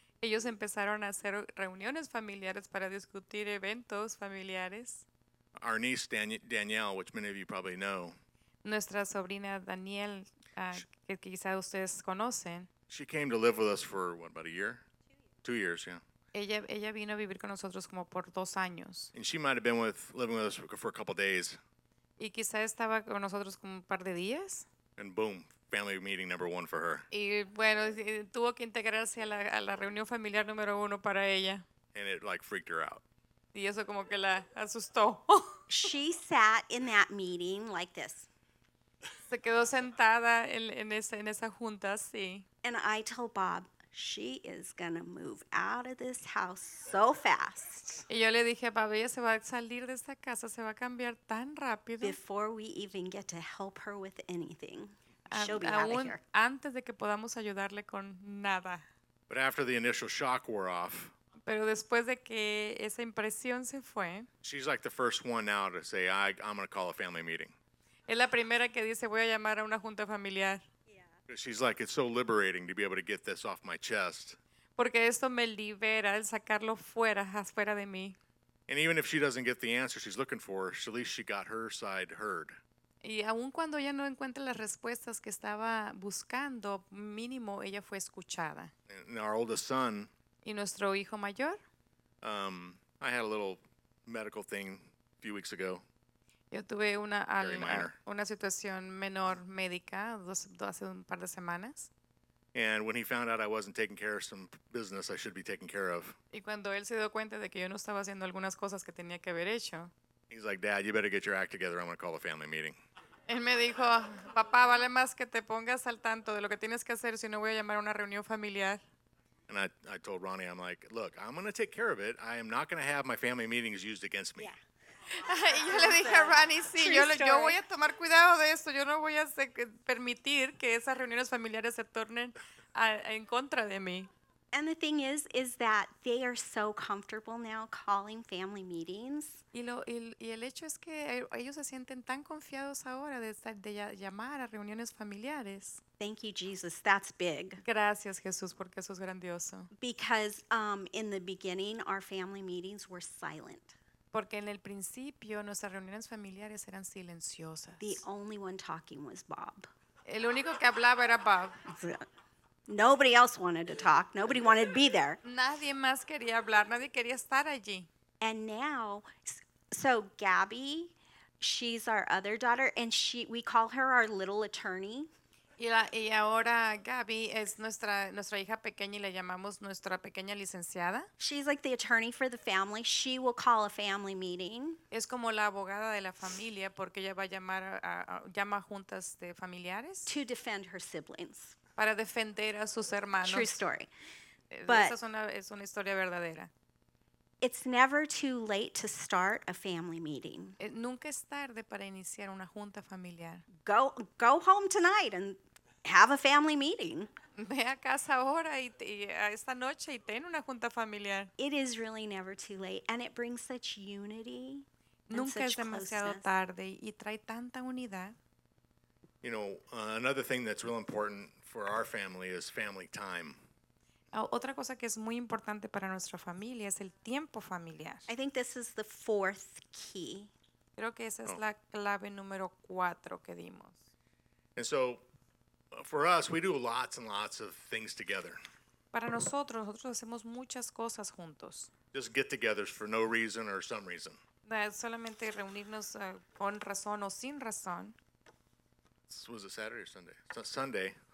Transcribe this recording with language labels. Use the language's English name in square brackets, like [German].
[Spanish] Ellos empezaron a hacer reuniones familiares para discutir eventos familiares. [English] Our niece Danielle, which many of you probably know. [Spanish] Nuestra sobrina Danielle, que quizás ustedes conocen. [English] She came to live with us for what, about a year? 2 years, yeah. [Spanish] Ella vino a vivir con nosotros como por 2 años. [English] And she might have been living with us for a couple of days. [Spanish] Y quizás estaba con nosotros como un par de días. [English] And boom, family meeting number one for her. [Spanish] Y bueno, tuvo que integrarse a la reunión familiar número uno para ella. [English] And it like freaked her out. [Spanish] Y eso como que la asustó. [English] She sat in that meeting like this. [Spanish] Se quedó sentada en esa junta, sí. [English] And I told Bob, she is gonna move out of this house so fast. [Spanish] Y yo le dije, Bob, ella se va a salir de esta casa, se va a cambiar tan rápido. [English] Before we even get to help her with anything. She'll be out of here. [Spanish] Antes de que podamos ayudarle con nada. [English] But after the initial shock wore off. [Spanish] Pero después de que esa impresión se fue. [English] She's like the first one now to say, I'm going to call a family meeting. [Spanish] Es la primera que dice, voy a llamar a una junta familiar. [English] Yeah. She's like, it's so liberating to be able to get this off my chest. [Spanish] Porque esto me libera, el sacarlo fuera de mí. [English] And even if she doesn't get the answer she's looking for, at least she got her side heard. [Spanish] Y aun cuando ella no encuentre las respuestas que estaba buscando, mínimo ella fue escuchada. [English] And our oldest son. [Spanish] Y nuestro hijo mayor. [English] I had a little medical thing a few weeks ago. [Spanish] Yo tuve una situación menor médica hace un par de semanas. [English] And when he found out I wasn't taking care of some business I should be taking care of, [Spanish] y cuando él se dio cuenta de que yo no estaba haciendo algunas cosas que tenía que haber hecho, [English] he's like, "Dad, you better get your act together. I'm going to call a family meeting." [Spanish] Él me dijo, "Papá, vale más que te pongas al tanto de lo que tienes que hacer, si no voy a llamar a una reunión familiar." [English] And I told Ronnie, I'm like, "Look, I'm going to take care of it. I am not going to have my family meetings used against me." Yeah. [Spanish] Y yo le dije a Ronnie, sí, yo voy a tomar cuidado de esto, yo no voy a permitir que esas reuniones familiares se tornen en contra de mí. [English] And the thing is that they are so comfortable now calling family meetings. [Spanish] Y el hecho es que ellos se sienten tan confiados ahora de llamar a reuniones familiares. [English] Thank you, Jesus. That's big. [Spanish] Gracias, Jesús, porque eso es grandioso. [English] Because in the beginning, our family meetings were silent. [Spanish] Porque en el principio nuestras reuniones familiares eran silenciosas. [English] The only one talking was Bob. [Spanish] El único que hablaba era Bob. [English] Nobody else wanted to talk. Nobody wanted to be there. [Spanish] Nadie más quería hablar. Nadie quería estar allí. [English] And now, so Gabby, she's our other daughter, and we call her our little attorney. [Spanish] Y ahora Gabby es nuestra hija pequeña y le llamamos nuestra pequeña licenciada. [English] She's like the attorney for the family. She will call a family meeting. [Spanish] Es como la abogada de la familia porque ella va a llamar llama juntas de familiares. [English] To defend her siblings. [Spanish] Para defender a sus hermanos. [English] True story. [Spanish] Esa es una historia verdadera. [English] It's never too late to start a family meeting. [Spanish] Nunca es tarde para iniciar una junta familiar. [English] Go home tonight and have a family meeting. [Spanish] Ve a casa ahora y esta noche y ten una junta familiar. [English] It is really never too late, and it brings such unity. [Spanish] Nunca es demasiado tarde y trae tanta unidad. [English] You know, another thing that's real important for our family is family time. [Spanish] Otra cosa que es muy importante para nuestra familia es el tiempo familiar. [English] I think this is the fourth key. [Spanish] Creo que esa es la clave número cuatro que dimos. [English] And so, for us, we do lots and lots of things together. [Spanish] Para nosotros hacemos muchas cosas juntos. [English] Just get-togethers for no reason or some reason. [Spanish] Solamente reunirnos con razón o sin razón. [English] Was it Saturday or Sunday? Sunday.